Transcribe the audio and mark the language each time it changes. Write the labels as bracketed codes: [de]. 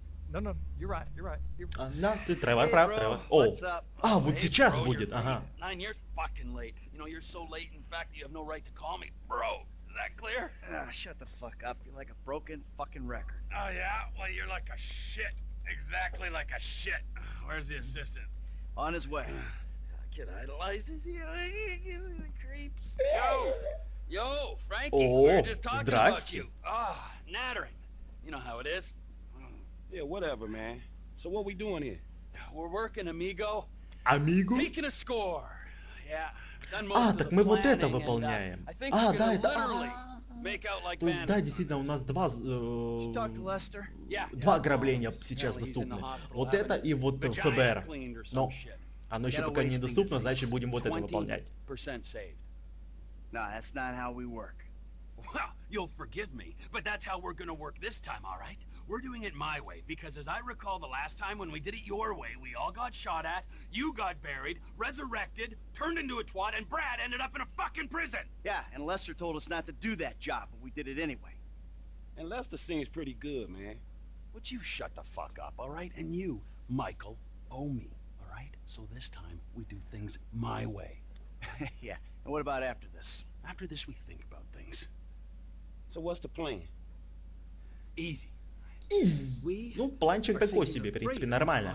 [ru] Да, ты Тревор, прав, Тревор. О, а, вот сейчас будет, ага. [en] You know, you're so late, in fact, you have no right to call me, bro. Is that clear? Shut the fuck up. You're like a broken fucking record. Oh, yeah? Well, you're like a shit. Exactly like a shit. Where's the assistant? On his way. Kid idolized his... creeps. Yo, Frankie, oh, we were just talking about you. Ah, nattering. You know how it is. Yeah, whatever, man. So what we doing here? We're working, amigo. Amigo? Taking a score. Yeah. [ru] А, так мы вот это выполняем. А, да, это... То есть, да, действительно, у нас два ограбления сейчас доступны. Вот это и вот ФБР. Но оно еще пока недоступно, значит, будем вот это выполнять. [en] We're doing it my way, because as I recall the last time when we did it your way, we all got shot at, you got buried, resurrected, turned into a twat, and Brad ended up in a fucking prison! Yeah, and Lester told us not to do that job, but we did it anyway. And Lester seems pretty good, man. Would you shut the fuck up, alright? And you, Michael, owe me, alright? So this time, we do things my way. Yeah, and what about after this? After this, we think about things. So what's the plan? Easy. Easy. [ru] Ну, планчик такой себе, в принципе, нормально.